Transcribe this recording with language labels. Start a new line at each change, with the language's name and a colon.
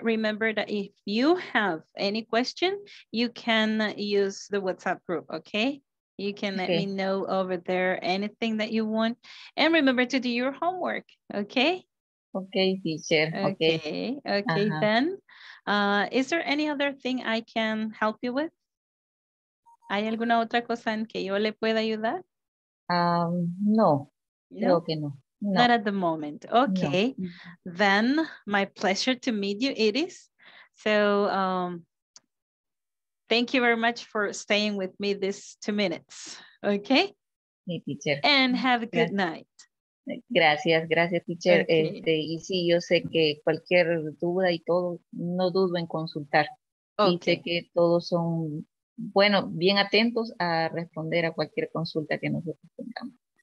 English: Remember that if you have any question, you can use the WhatsApp group, okay? You can let me know over there anything that you want. And remember to do your homework, okay? Okay, teacher. Okay. Uh-huh. Then, is there any other thing I can help you with?
Spanish: ¿Hay alguna otra cosa en que yo le pueda ayudar? No. Creo que no.
English: Not at the moment. Okay. No. Then, my pleasure to meet you, Iris. So, thank you very much for staying with me this 2 minutes, okay? Hey, teacher. And have a good night.
Spanish: Gracias, teacher. Okay. Y sí, yo sé que cualquier duda y todo, no dudo en consultar. Okay. Y sé que todos son, bueno, bien atentos a responder a cualquier consulta que nosotros tengamos.